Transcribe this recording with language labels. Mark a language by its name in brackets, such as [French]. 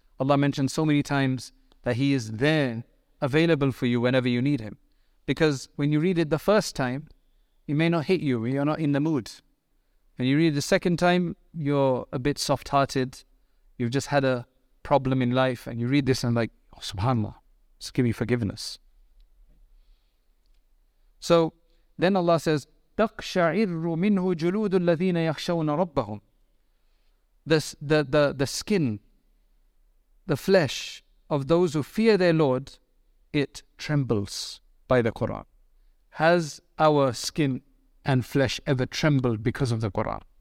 [English] Allah mentioned so many times that He is there, available for you whenever you need Him. Because when you read it the first time, it may not hit you, you're not in the mood. When you read it the second time, you're a bit soft-hearted, you've just had a problem in life, and you read this and like, oh, Subhanallah, just give me forgiveness. So then Allah says, [Arabic] تَقْشَعِرُّ مِنْهُ جُلُودُ الَّذِينَ يَخْشَوْنَ رَبَّهُمْ. [English] The skin, the flesh of those who fear their Lord, it trembles by the Quran. Has our skin and flesh ever trembled because of the Quran?